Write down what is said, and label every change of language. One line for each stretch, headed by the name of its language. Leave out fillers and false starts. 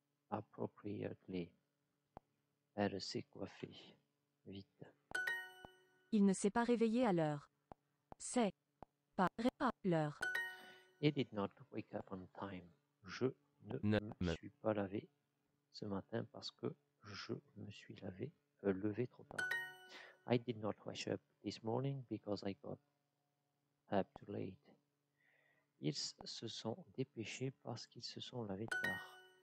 French: Appropriately. Elle s'est coiffée. Vite. Il ne s'est pas réveillé à l'heure. C'est pas l'heure.
English: He did not wake up on time.
French: Je ne me suis pas lavé ce matin parce que je me suis levé trop tard.
English: I did not wash up this morning because I got up too late.
French: Ils se sont dépêchés parce qu'ils se sont lavés tard.